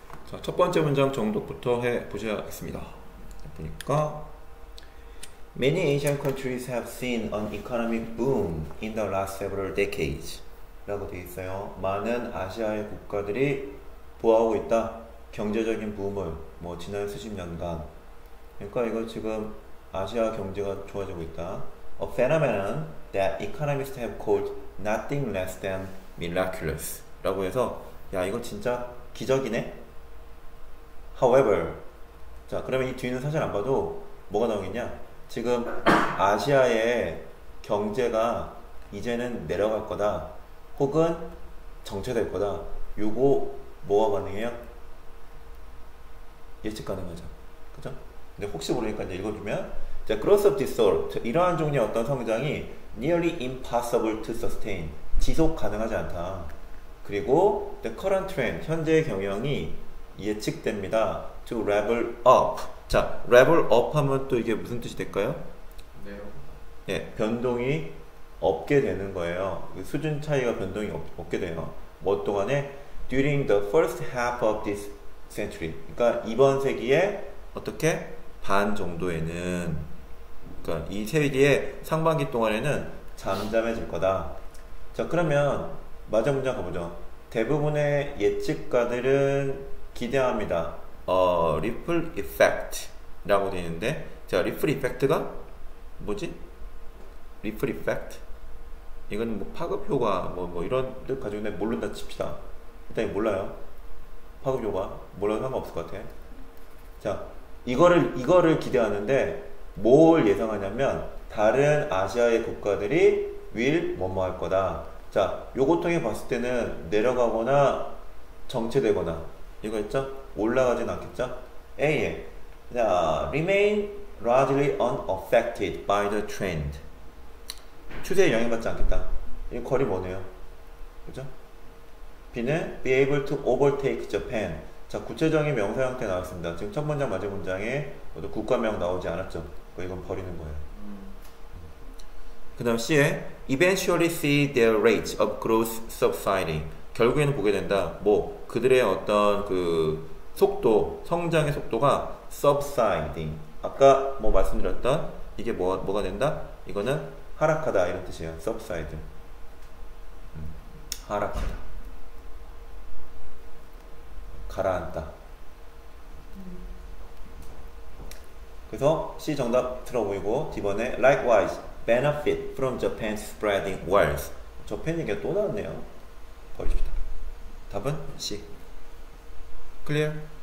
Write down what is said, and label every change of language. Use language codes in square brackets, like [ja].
[ko] 자, 첫 번째 문장 정도부터 해보셔야겠습니다. 보니까 [en] Many Asian countries have seen an economic boom in the last several decades. [ko] 라고 되어 있어요. 많은 아시아의 국가들이 보아하고 있다. 경제적인 붐을 뭐 지난 수십 년간. 그러니까 이거 지금 아시아 경제가 좋아지고 있다. [en] A phenomenon that economists have called nothing less than miraculous. [ko] 라고 해서 야 이거 진짜 기적이네. [en] However, [ko] 자 그러면 이 뒤는 사실 안 봐도 뭐가 나오겠냐? 지금 아시아의 경제가 이제는 내려갈 거다. 혹은 정체될 거다. 요거 뭐가 가능해요? 예측 가능하죠. 그죠? 근데 혹시 모르니까 이제 읽어주면, [en] The growth of this sort, [ko] 이러한 종류의 어떤 성장이 [en] nearly impossible to sustain, [ko] 지속 가능하지 않다. 그리고 [en] the current trend, [ko] 현재의 경향이 예측됩니다. [en] To level up. [ko] 자, [en] level up [ko] 하면 또 이게 무슨 뜻이 될까요? 예, 변동이 없게 되는 거예요. 수준 차이가 변동이 없게 돼요. 뭐 동안에? [en] During the first half of this century. [ko] 그러니까 이번 세기에 어떻게? 반 정도에는. 그러니까 이 세기의 상반기 동안에는 잠잠해질 거다. 자, 그러면 마지막 문장 가보죠. 대부분의 예측가들은 기대합니다. 리플 이펙트라고 되어 있는데, 자, 리플 이펙트가 뭐지? 리플 이펙트? 이건 뭐 파급 효과 뭐 이런 뜻 가지고 있는데 모른다 칩시다. 일단 몰라요. 파급 효과 몰라도 상관없을 것 같아. 자, 이거를 기대하는데 뭘 예상하냐면 다른 아시아의 국가들이 will 뭐뭐 할 거다. 자, 요거 통해 봤을 때는 내려가거나 정체되거나 이거 있죠? 올라가진 않겠죠? A에. 자, [en] remain largely unaffected by the trend. [ko] 추세에 영향받지 않겠다. 이 퀄이 뭐네요? 그죠? B는 [en] be able to overtake Japan. [ko] 자, 구체적인 명사 형태 나왔습니다. 지금 첫 문장, 마지막 문장에 모두 국가명 나오지 않았죠? 이건 버리는 거예요. 그 다음 C에 [en] eventually see their rate of growth subsiding. [ko] 결국에는 보게 된다. 뭐, 그들의 어떤 그 속도, 성장의 속도가 subsiding. 아까 뭐 말씀드렸던 이게 뭐가 된다? 이거는 하락하다. 이런 뜻이에요. subsiding. 하락하다. 가라앉다. 그래서 C 정답 틀어보이고, 이번에 [en] likewise, benefit from Japan's spreading wealth. [ko] 저펜 얘기가 또 나왔네요. 버립시다. 답은 C. [en] Clear?